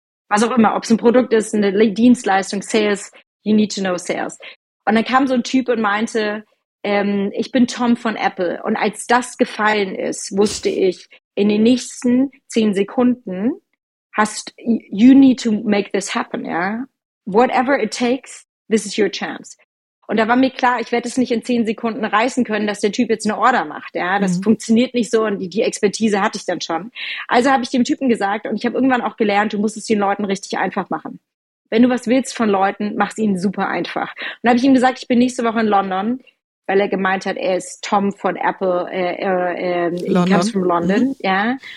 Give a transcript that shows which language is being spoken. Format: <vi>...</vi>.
<de>Was auch immer, ob es ein Produkt ist, eine Dienstleistung, Sales,</de> <en>you need to know Sales.</en> <de>Und dann kam so ein Typ und meinte, ich bin Tom von Apple. Und als das gefallen ist, wusste ich, in den nächsten 10 Sekunden</de> <en>you need to make this happen,</en> <de>ja.</de> <en>Whatever it takes, this is your chance.</en> <de>Und da war mir klar, ich werde es nicht in 10 Sekunden reißen können, dass der Typ jetzt eine Order macht. Ja, das funktioniert nicht so und die Expertise hatte ich dann schon. Also habe ich dem Typen gesagt und ich habe irgendwann auch gelernt, du musst es den Leuten richtig einfach machen. Wenn du was willst von Leuten, mach es ihnen super einfach. Und habe ich ihm gesagt, ich bin nächste Woche in London, weil er gemeint hat, er ist Tom von Apple,</de> <en>he comes from London.</en> <de>Mhm. Ja.</de>